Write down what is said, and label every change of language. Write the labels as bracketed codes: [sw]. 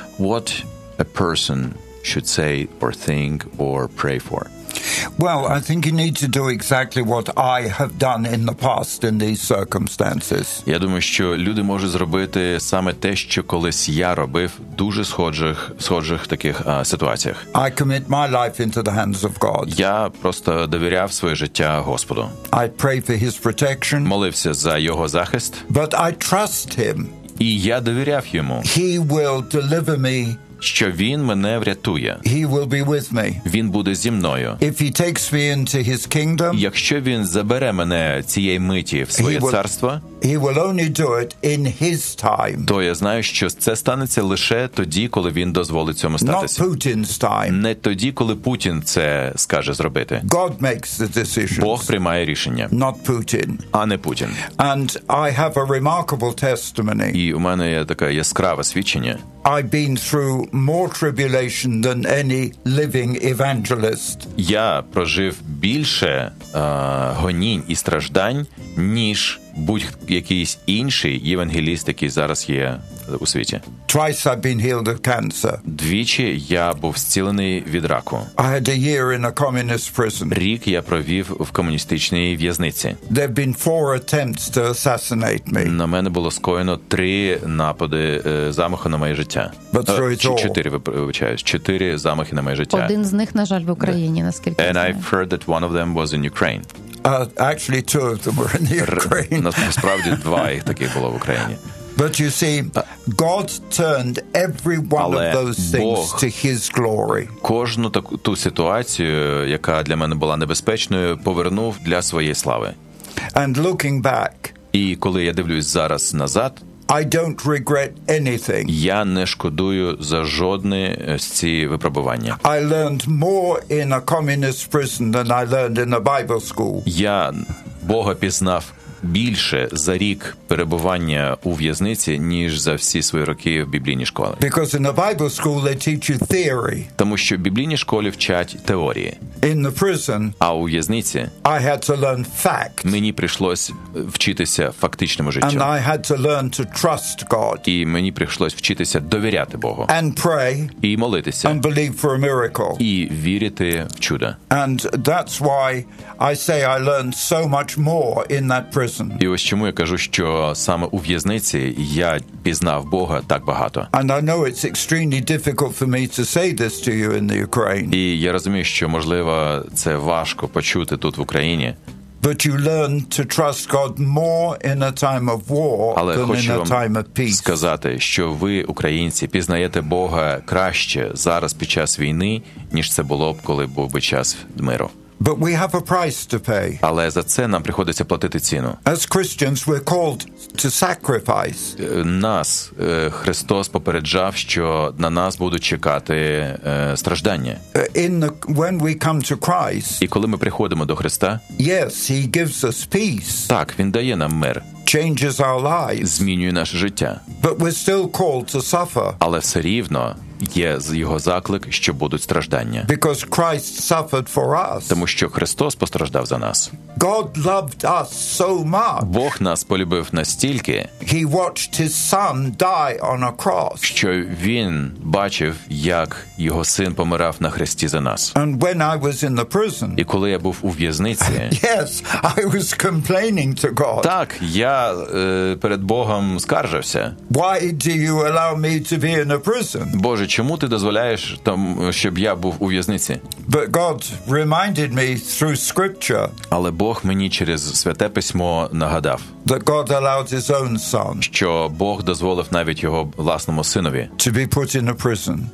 [en] What a person should say or think or pray for? Well, I think you need to do exactly what I have done in the past in these circumstances. [uk] Я думаю, що люди можуть зробити саме те, що колись я робив, дуже схожих таких ситуаціях. [en] I commit my life into the hands of God. [uk] Я просто довіряв своє життя Господу. [en] I pray for his protection. [uk] Молився за його захист. [en] But I trust him. [uk] І я довіряв йому. [en] He will deliver me. [uk] Що він мене врятує. [en] He will be with me. [uk] Він буде зі мною. [en] If he takes me into his kingdom, [uk] якщо він забере мене цієї миті в своє царство, [en] he will only do it in his time. [uk] То я знаю, що це станеться лише тоді, коли він дозволить цьому статися. [en] Not Putin's time. [uk] Не тоді, коли Путін це скаже зробити. [en] God makes the decisions. [uk] Бог приймає рішення. [en] Not Putin. [uk] А не Путін. [en] And I have a remarkable testimony. [uk] І у мене є таке яскраве свідчення. [en] I've been through more tribulation than any living evangelist. [uk] Я прожив більше гонінь і страждань, ніж будь-якийсь інший євангеліст, який зараз є у світі. [en] Twice I've been healed of cancer. [uk] Двічі я був зцілений від раку. [en] I had a year in a communist prison. [uk] Рік я провів в комуністичній в'язниці. [en] There have been four attempts to assassinate me. [uk] На мене було скоєно три напади замаху на моє життя. [en] But through it all. [uk] Чотири замахи на моє життя. Один з них, на жаль, в Україні, наскільки [en] And [uk] я знаю. [en] And I've heard that one of them was in Ukraine. Actually two of them were in the Ukraine. [uk] Насправді два їх таких було в Україні. [en] But you see, God turned every one of those things to his glory. [uk] Кожну ту ситуацію, яка для мене була небезпечною, повернув для своєї слави. [en] And looking back, [uk] і коли я дивлюсь зараз назад, [en] I don't regret anything. [uk] Я не шкодую за жодне з ці випробування. [en] I learned more in a communist prison than I learned in a Bible school. [uk] Я Бога пізнав більше за рік перебування у в'язниці, ніж за всі свої роки в біблійній школі. [en] Because in the Bible school they teach you theory. [uk] Тому що в біблійній школі вчать теорії. [en] In the prison, [uk] а у в'язниці [en] I had to learn fact. [uk] Мені прийшлось вчитися фактичному життю. [en] And I had to learn to trust God. [uk] І мені прийшлось вчитися довіряти Богу. [en] And pray. [uk] І молитися. [en] And believe for a miracle. [uk] І вірити в чудо. [en] And that's why I say I learned so much more in that prison. [uk] І ось чому я кажу, що саме у в'язниці я пізнав Бога так багато. [en] And I know it's extremely difficult for me to say this to you in the Ukraine. [uk] І я розумію, що, можливо, це важко почути тут в Україні. [en] But you learn to trust God more in a time of war than in a time of peace. [uk] Сказати, що ви, українці, пізнаєте Бога краще зараз під час війни, ніж це було б, коли був би час миру. [en] But we have a price to pay. [uk] Але за це нам приходиться платити ціну. [en] As Christians, we're called to sacrifice. [uk] Нас Христос попереджав, що на нас будуть чекати страждання. [en] When we come to Christ. [uk] І коли ми приходимо до Христа? [en] Yes, he gives us peace. [uk] Так, він дає нам мир. [en] Changes our lives. [uk] Змінює наше життя. [en] But we're still called to suffer. [uk] Але все рівно є його заклик, що будуть страждання. [en] Because Christ suffered for us. [uk] Тому що Христос постраждав за нас. [en] God loved us so much. [uk] Бог нас полюбив настільки. [en] He watched his son die on a cross. [uk] Що він бачив, як його син помирав на хресті за нас. [en] And when I was in the prison. [uk] І коли я був у в'язниці. [en] Yes, I was complaining to God. [uk] Так, я перед Богом скаржився. [en] Why do you allow me to be in a prison? [uk] Боже, чому ти дозволяєш, щоб я був у в'язниці? [en] But God reminded me through scripture. [uk] Але Бог мені через Святе Письмо нагадав. [en] That God allowed his own son. [uk] Що Бог дозволив навіть його власному синові. [en] To be put in a prison.